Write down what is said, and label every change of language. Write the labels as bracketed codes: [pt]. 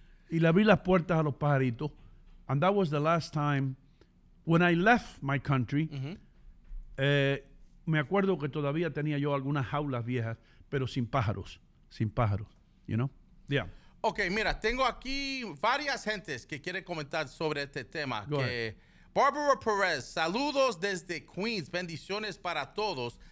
[es] Y le abrí las puertas a los pajaritos. [en] And that was the last time when I left my country. Mm-hmm. [es] Me acuerdo que todavía tenía yo algunas jaulas viejas, pero sin pájaros. Sin pájaros. [en] You know? Yeah. [es] Ok, mira, tengo aquí varias gentes que quieren comentar sobre este tema. Barbara Perez, saludos desde Queens, bendiciones para todos.